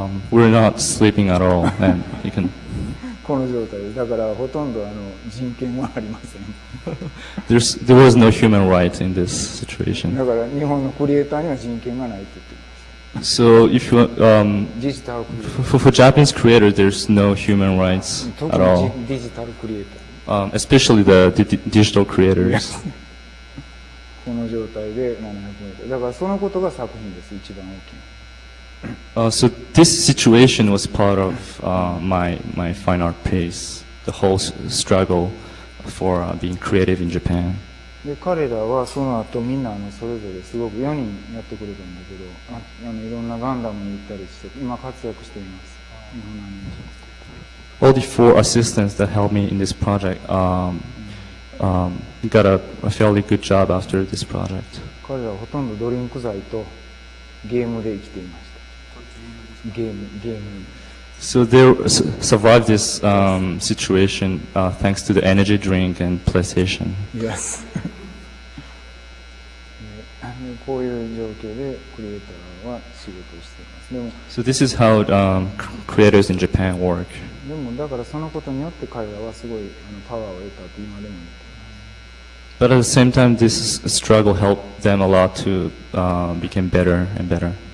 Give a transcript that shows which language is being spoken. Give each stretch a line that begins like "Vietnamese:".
English: We're not sleeping at all, and you can.
Japanese: この状態です。だからほとんどあの人権はありません。
English: There was no human right in this situation.
Japanese: だから日本のクリエイターには人権がないって言ってます。
English: So if you,
Japanese: デジタルクリエイター。
English: For Japanese creator, there's no human rights at all.
Japanese: デジタルクリエイター。
English: Especially the digital creators.
Japanese: この状態で700メートル。だからそのことが作品です。一番大きい。
English: So this situation was part of my fine art piece, the whole struggle for being creative in Japan.
Japanese: で彼らはその後みんなそれぞれすごく4人やってくれたんだけど、いろんなガンダムに行ったりして今活躍しています。日本のアニメーション。
English: All the four assistants that helped me in this project got a fairly good job after this project.
Japanese: 彼らはほとんどドリンク剤とゲームで生きていました。ゲーム。
English: So they survived this situation thanks to the energy drink and PlayStation. Yes.
Japanese: こういう状況でクリエイターは仕事をしています。でも、
English: So this is how creators in Japan work.
Japanese: でもだからそのことによって彼らはすごいパワーを得たと今でも言っています。
English: But at the same time, this struggle helped them a lot to become better and better.